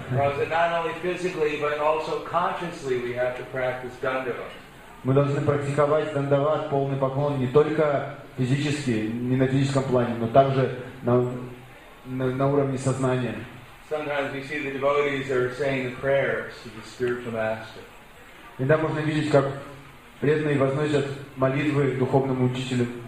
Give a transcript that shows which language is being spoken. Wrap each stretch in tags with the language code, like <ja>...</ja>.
<en>Not only physically, but also consciously we have to practice дандават.</en> <ru>Мы должны практиковать дандават, полный поклон, не только физически, не на физическом плане, но также на уровне сознания.</ru> <en>Sometimes we see the devotees are saying the prayers to the spiritual master.</en> <ru>Иногда можно видеть, как преданные возносят молитвы духовному учителю.</ru>